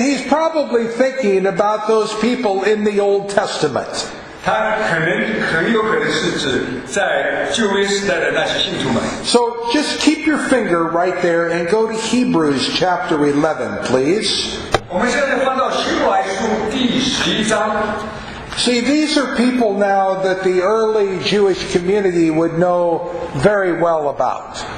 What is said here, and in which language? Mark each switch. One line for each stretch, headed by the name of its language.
English: he's probably thinking about those people in the Old Testament.
Chinese: 他可能很有可能是指在旧约时代的那些信徒们。So
English: just keep your finger right there and go to Hebrews chapter 11, please.
Chinese: 我们现在翻到希伯来书第11章。See,
English: these are people now that the early Jewish community would know very well about.